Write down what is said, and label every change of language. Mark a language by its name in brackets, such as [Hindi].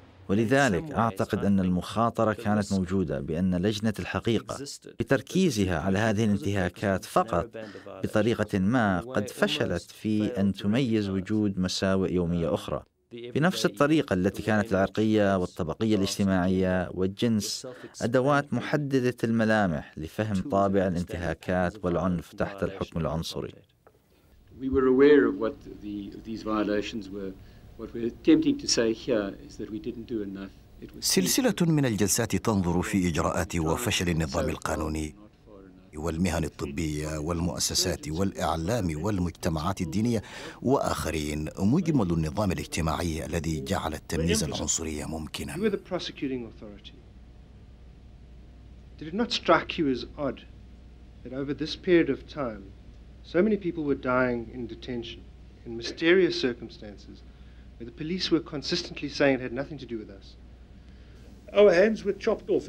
[Arabic] ولذلك أعتقد أن المخاطرة كانت موجودة بأن لجنة الحقيقة بتركيزها على هذه الانتهاكات فقط بطريقة ما قد فشلت في أن تميز وجود مساوئ يومية أخرى بنفس الطريقة التي كانت العرقية والطبقية الاجتماعية والجنس أدوات محددة الملامح لفهم طابع الانتهاكات والعنف تحت الحكم العنصري. [English] We were aware of what these violations were. What we're attempting to say here is that we didn't do enough. [Arabic] سلسلة من الجلسات تنظر في إجراءات وفشل النظام القانوني والمهن الطبية والمؤسسات والإعلام والمجتمعات الدينية وآخرين، مجمل النظام الاجتماعي الذي جعل التمييز العنصري ممكنا. [English] Did it not strike you as odd that over this period of time so many people were dying in detention in mysterious circumstances where the police were consistently saying it had nothing to do with us? Our hands were chopped off.